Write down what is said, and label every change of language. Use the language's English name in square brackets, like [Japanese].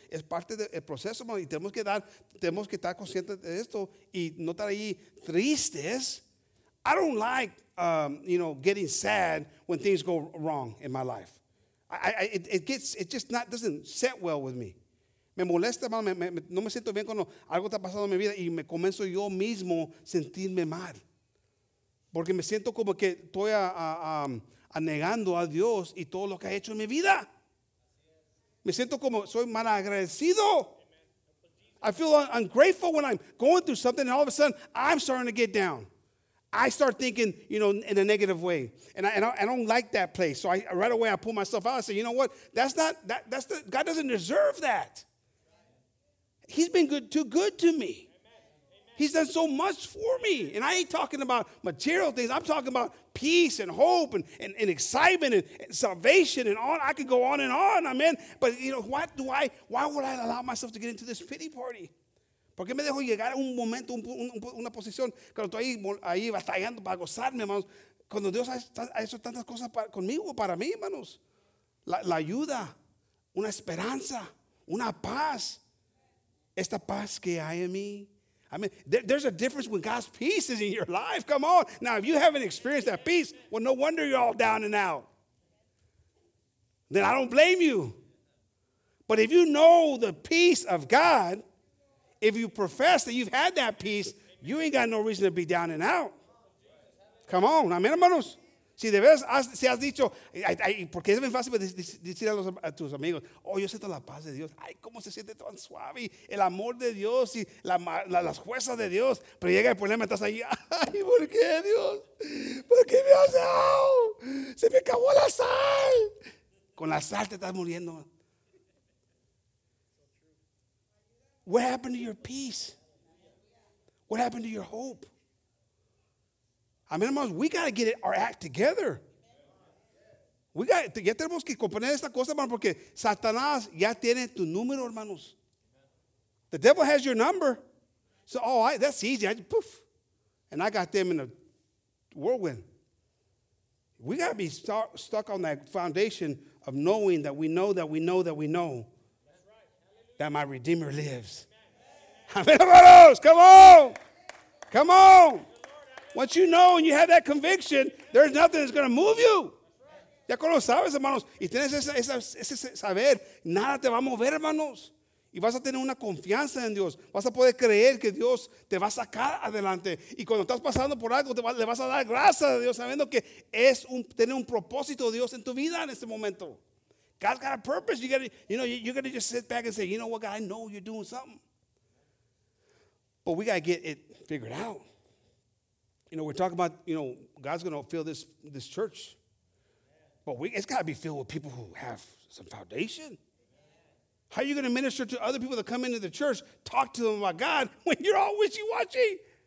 [Spanish] Es parte del proceso, hermano. Y tenemos que estar conscientes de esto y no estar ahí tristes. [English] I don't like, you know, getting sad when things go wrong in my life. It doesn't set well with me. [Spanish] Me molesta, hermano. No me siento bien cuando algo está pasando en mi vida y me comienzo yo mismo sentirme mal. Porque me siento como que estoy anegando a Dios y todo lo que ha hecho en mi vida. Me siento como soy mal agradecido. [English] I feel ungrateful when I'm going through something and all of a sudden I'm starting to get down. I start thinking, you know, in a negative way. And I don't like that place. So I right away I pull myself out and say, you know what? God doesn't deserve that. He's been too good to me. He's done so much for me. And I ain't talking about material things. I'm talking about peace and hope and excitement and salvation and on. I could go on and on, amen. But, you know, why would I allow myself to get into this pity party? [Spanish] ¿Por qué me dejo llegar a un momento, una posición, cuando estoy ahí batallando para gozarme, hermanos? Cuando Dios ha hecho tantas cosas conmigo, para mí, hermanos. la ayuda, una esperanza, una paz. Esta paz que hay en mí. [English] I mean, there's a difference when God's peace is in your life. Come on. Now, if you haven't experienced that peace, well, no wonder you're all down and out. Then I don't blame you. But if you know the peace of God, if you profess that you've had that peace, you ain't got no reason to be down and out. Come on. [Spanish] Amén, hermanos. Si de veras, si has dicho, ¿por qué es bien fácil decir a tus amigos? Oh, yo siento la paz de Dios. Ay, cómo se siente tan suave. El amor de Dios y las fuerzas de Dios. Pero llega el problema, estás ahí. Ay, ¿por qué, Dios? ¿Por qué me has dado? Se me acabó la sal. Con la sal te estás muriendo. [English] What happened to your peace? What happened to your hope? I mean, hermanos, we got to get our act together. We got to get [Spanish] tenemos que componer esta cosa, hermano, porque Satanás ya tiene tu número, hermanos. [English] The devil has your number. So, oh, that's easy. Poof. And I got them in a whirlwind. We got to be stuck on that foundation of knowing that we know that we know that we know that my Redeemer lives. Amen, hermanos. Come on. Come on. Once you know and you have that conviction, there's nothing that's going to move you. [Spanish] Ya cuando sabes, hermanos, y tienes ese saber, nada te va a mover, hermanos. Y vas a tener una confianza en Dios. Vas a poder creer que Dios te va a sacar adelante. Y cuando estás pasando por algo, le vas a dar gracias a Dios, sabiendo que es tener un propósito de Dios en tu vida en este momento. [English] God's got a purpose. You're going to just sit back and say, you know what, God, I know you're doing something. But we got to get it figured out. You know, we're talking about, you know, God's going to fill this church. But it's got to be filled with people who have some foundation. How are you going to minister to other people that come into the church, talk to them about God, when you're all wishy-washy?